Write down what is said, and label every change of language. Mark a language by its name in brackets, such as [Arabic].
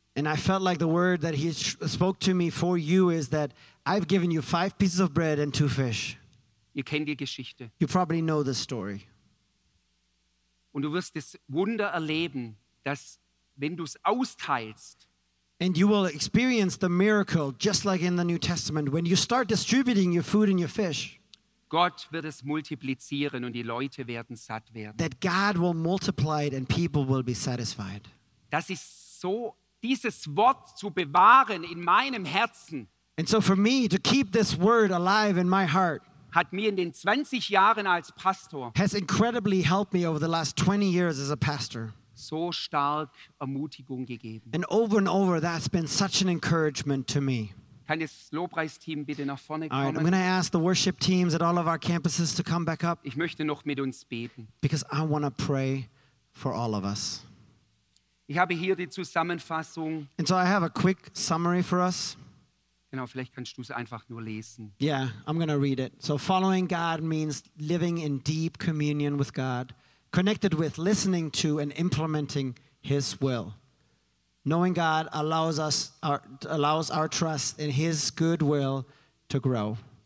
[English] And I felt like the word that he spoke to me for you is that I've given you 5 pieces of bread and 2 fish. [German] Ihr kennt die Geschichte. [English] You probably know the story. [German] Und du wirst das Wunder erleben, dass wenn du es austeilst. [English] And you will experience the miracle, just like in the New Testament, when you start distributing your food and your fish. [German] Gott wird es multiplizieren und die Leute werden satt werden. [English] That God will multiply it and people will be satisfied. [German] Das ist so, dieses Wort zu bewahren in meinem Herzen. [English] And so for me, to keep this word alive in my heart. [German] Hat mir in den 20 Jahren als Pastor [English] has incredibly helped me over the last 20 years as a pastor. [German] So stark Ermutigung gegeben. [English] And over, that's been such an encouragement to me. [German] Kann das Lobpreisteam bitte nach vorne kommen? [English] All right, I'm going to ask the worship teams at all of our campuses to come back up. [German] Ich möchte noch mit uns beten. [English] Because I want to pray for all of us. [German] Ich habe hier die Zusammenfassung. [English] And so I have a quick summary for us. [German] Genau, vielleicht kannst du es einfach nur lesen. [English] Yeah, I'm going to read it. So following God means living in deep communion with God, connected with, listening to, and implementing his will. Knowing God allows our trust in his good will to grow.